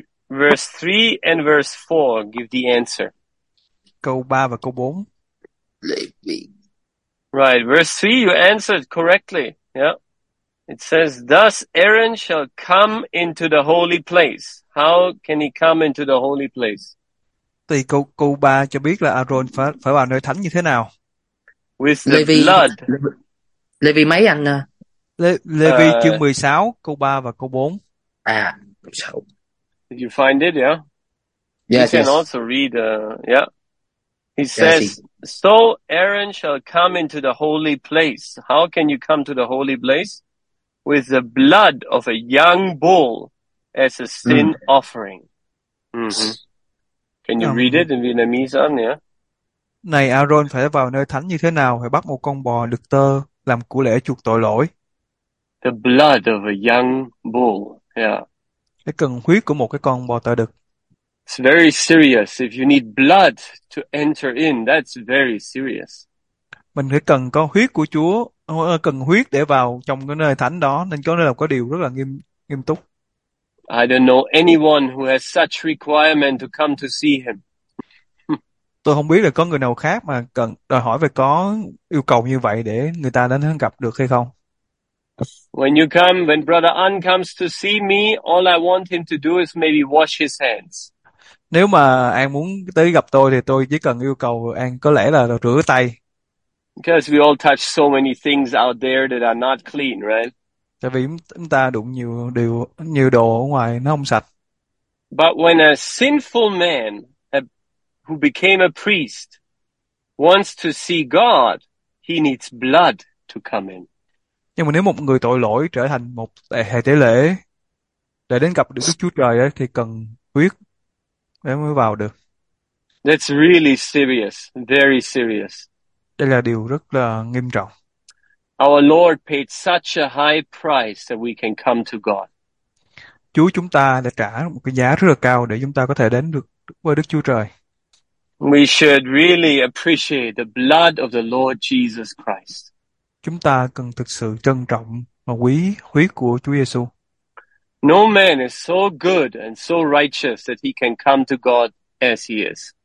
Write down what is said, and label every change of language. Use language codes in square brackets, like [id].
[en] Verse 3 and verse 4 give the answer. [vi] Câu 3 và câu 4. [en] Right, verse 3, you answered correctly. Yeah. It says, thus Aaron shall come into the holy place. How can he come into the holy place? [vi] Thì câu 3 cho biết là Aaron phải phải vào nơi thánh như thế nào? [en] With the Levi [vi] blood. Levi mấy anh? Levi chương 16 câu 3 và câu 4. [en] So. Did you find it? Yeah. You Yes, can yes. also read, yeah. He Yes. says, so Aaron shall come into the holy place. How can you come to the holy place? With the blood of a young bull as a sin offering. Can you read it in Vietnamese? [vi] Này Aaron phải vào nơi thánh như thế nào? Phải bắt một con bò được tơ làm của lễ chuộc tội lỗi. [en] The blood of a young bull. Yeah. [vi] Phải cần huyết của một cái con bò tơ đực. [en] It's very serious. If you need blood to enter in, that's very serious. [vi] Mình phải cần có huyết của Chúa, cần huyết để vào trong cái nơi thánh đó, nên có nơi là có điều rất là nghiêm nghiêm túc. [en] I don't know anyone who has such requirement to come to see him. [vi] Tôi không biết là có người nào khác mà cần đòi hỏi về có yêu cầu như vậy để người ta đến gặp được hay không. [en] When Brother An comes to see me, all I want him to do is maybe wash his hands. [vi] Nếu mà An muốn tới gặp tôi thì tôi chỉ cần yêu cầu An có lẽ là rửa tay. [en] Because we all touch so many things out there that are not clean, right? [vi] Tại vì chúng ta đụng nhiều đồ ở ngoài nó không sạch. [en] But when a sinful man, a who became a priest wants to see God, he needs blood to come in. [vi] Nhưng mà nếu một người tội lỗi trở thành một hệ tế lễ để đến gặp được Đức Chúa Trời ấy, thì cần huyết để mới vào được. [en] That's really serious, very serious. [vi] Đây là điều rất là nghiêm trọng. [en] Our Lord paid such a high price that we can come to God. [vi] Chúa chúng ta đã trả một cái giá rất là cao để chúng ta có thể đến được với Đức Chúa Trời. [en] We should really appreciate the blood of the Lord Jesus Christ. [vi] Chúng ta cần thực sự trân trọng và quý huyết của Chúa Giêsu. [en] No man is so good and so righteous that he can come to God as he is.